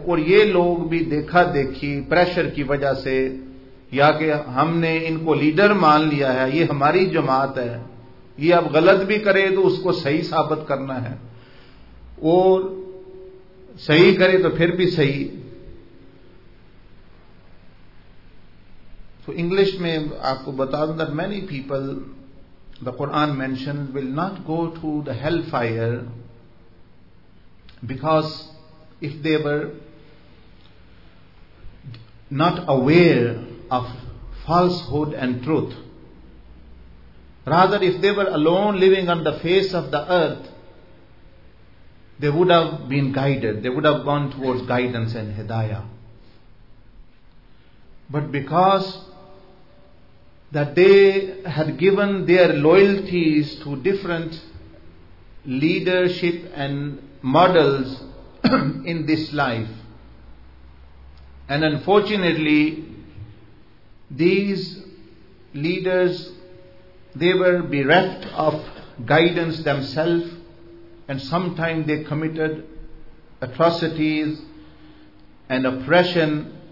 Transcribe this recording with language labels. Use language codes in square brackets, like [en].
[ur] اور یہ لوگ بھی دیکھا دیکھی پریشر کی وجہ سے، یا کہ ہم نے ان کو لیڈر مان لیا ہے، یہ ہماری جماعت ہے، یہ اب غلط بھی کرے تو اس کو صحیح ثابت کرنا ہے، اور صحیح کرے تو پھر بھی صحیح. تو انگلش میں آپ کو بتا دوں، [en] That many people the Quran mention will not go to the hell fire because of they were not aware of falsehood and truth. Rather, if they were alone living on the face of the earth, they would have been guided, they would have gone towards guidance and hidayah. But because that they had given their loyalties to different leadership and models in this life, and unfortunately these leaders, they were bereft of guidance themselves, and sometimes they committed atrocities and oppression.